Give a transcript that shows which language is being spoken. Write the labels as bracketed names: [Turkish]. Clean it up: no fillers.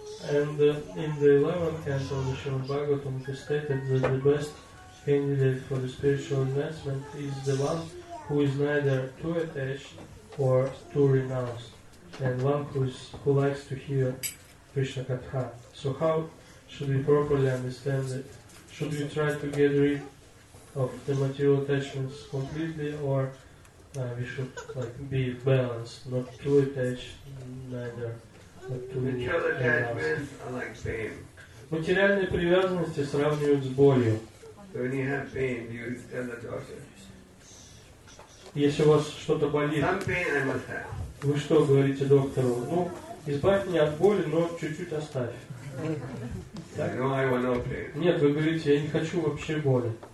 [English] In the 11th canto of the Srimad Bhagavatam, it is stated that the best candidate for the spiritual advancement is the one who is neither too attached or too renounced, and one who likes to hear Krishna Katha. So how should we properly understand it? Should we try to get rid of the material attachments completely, or we should like be balanced, not too attached, neither, not too attached. Like pain. [Russian] Материальные привязанности сравнивают с болью. [English] When you have pain, you tell the doctor. [Russian] Если у вас что-то болит, [English] some pain I must have. [Russian] Вы что говорите доктору? Ну, избавь меня от боли, но чуть-чуть оставь. Так? [English] No, I want no pain. [Russian] Нет, вы говорите, я не хочу вообще боли.